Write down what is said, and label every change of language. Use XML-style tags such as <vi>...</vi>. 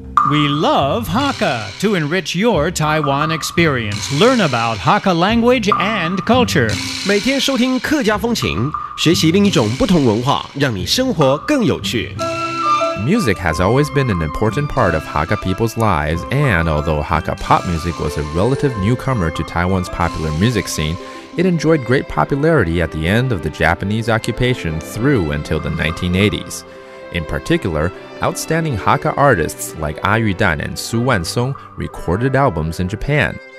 <en>We love Hakka to enrich your Taiwan experience. Learn about Hakka language and culture.</en> <zh>每天收听客家风情，学习另一种不同文化，让你生活更有趣。</zh> <en>Music has always been an important part of Hakka people's lives, and although Hakka pop music was a relative newcomer to Taiwan's popular music scene, it enjoyed great popularity at the end of the Japanese occupation through until the 1980s. In particular, outstanding Hakka artists like A Yu Dan and Su Wansong recorded albums in Japan.</en>